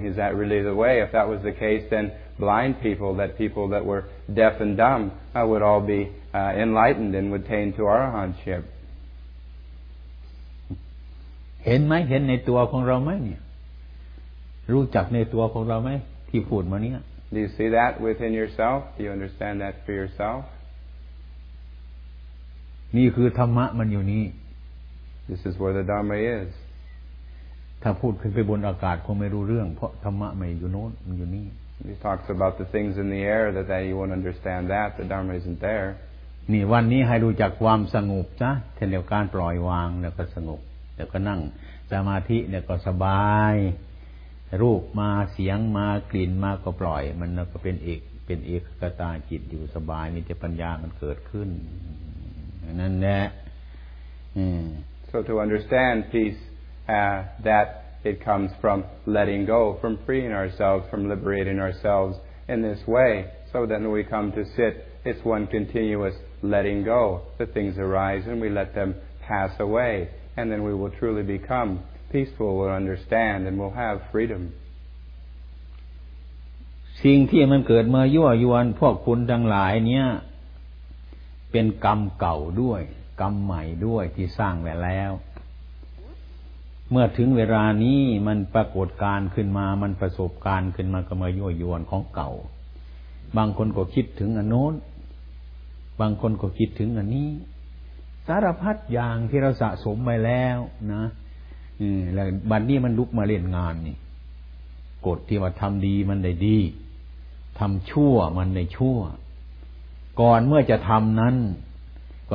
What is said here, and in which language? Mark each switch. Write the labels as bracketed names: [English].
[English] Is that really the way? If that was the case, then blind people, that people that were deaf and dumb, would all be enlightened and would attain to arahantship. [Thai] เห็นไหมเห็นในตัวของเราไหมเนี่ยรู้จักในตัวของเราไหมที่พูดมาเนี่ย [English] Do you see that within yourself? Do you understand that for yourself? [Thai] นี่คือธรรมะมันอยู่นี่ [English] This is where the Dharma is. [Thai] ถ้าพูดขึ้นไปบนอากาศคงไม่รู้เรื่องเพราะธรรมะไม่อยู่โน้นมันอยู่นี่ [English] He talks about the things in the air that you won't understand that the Dharma isn't there. [Thai] นี่วันนี้ให้รู้จักความสงบจ้ะเทียบการปล่อยวางแล้วก็สงบแล้วก็นั่งสมาธิแล้วก็สบายรูปมาเสียงมากลิ่นมาก็ปล่อยมันก็เป็นเอกกตาจิตอยู่สบายมีแต่ปัญญามันเกิดขึ้นนั่นแหละ [English] So to understand peace that it comes from letting go from freeing ourselves from liberating ourselves in this way so then we come to sit it's one continuous letting go the things arise and we let them pass away and then we will truly becomePeaceful will understand and will have freedom. [Thai] สิ่งที่มันเกิดมายั่วยวนพวกคุณทั้งหลายเนี่ยเป็นกรรมเก่าด้วยกรรมใหม่ด้วยที่สร้างไว้แล้ว เมื่อถึงเวลานี้มันปรากฏการขึ้นมามันประสบการขึ้นมาก็มายั่วยวนของเก่าบางคนก็คิดถึงอันโน้นบางคนก็คิดถึงอันนี้สารพัดอย่างที่เราสะสมไว้แล้วนะแล้วบัดนี้มันลุกมาเล่นงานนี่กฎที่ว่าทำดีมันได้ดีทำชั่วมันได้ชั่วก่อนเมื่อจะทำนั้นก็เ